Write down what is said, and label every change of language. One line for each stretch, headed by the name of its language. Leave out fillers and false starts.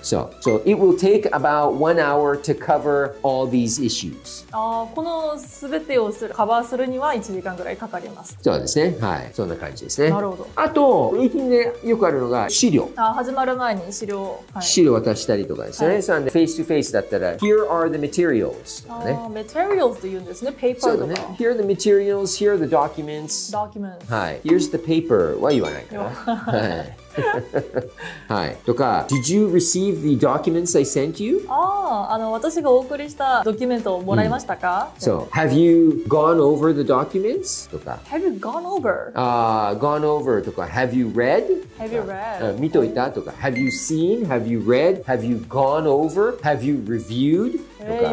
English: So it will take about 1 hour to cover all these issues.
Japanese: この全てをカバーするには1時間ぐらいかかります。そうですね。はい。そんな感じですね。なるほど。あと、ミーティングでよくあるのが資料。あ、始まる前に資料、はい。資料渡したりとかですね。はい、フェイスとフェイスだったら、
English: Here are the materials.
Japanese: ね、materials というんですね。ペーパーとか。そうだね。
English: Here are the materials. Here are the documents. Documents. Hi. Here's the paper. Why are you on it? Hi.
Japanese: はい、とか
English: Did you receive the documents I sent you?
Japanese: あの私がお送りしたドキュメントをもらいましたか、うん、
English: So Have you gone over the documents?
Japanese: とか
English: Have you gone over? Gone over
Japanese: とか
English: Have you read? Have you read?
Japanese: 見といたとか
English: Have you seen? Have you read? Have you gone over? Have you reviewed?
Japanese: とか、